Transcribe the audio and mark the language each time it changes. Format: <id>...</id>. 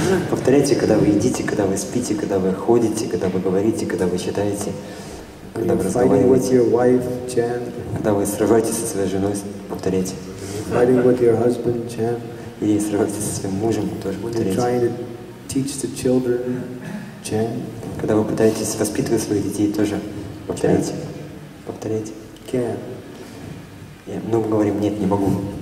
<ru>Повторяйте, когда вы едите, когда вы спите, когда вы ходите, когда вы говорите, когда вы читаете, когда вы разговариваете, когда вы сражаетесь со своей женой, повторяйте.</ru> <en>Fighting with your husband, chant.</en> <ru>И сражаетесь со своим мужем, тоже повторяйте.</ru> <en>When you're trying to teach the children, chant.</en> <ru>Когда вы пытаетесь воспитывать своих детей, тоже повторяйте. Повторяйте.</ru> <en>Can.</en> <ru>Я много говорю, нет, не могу.</ru>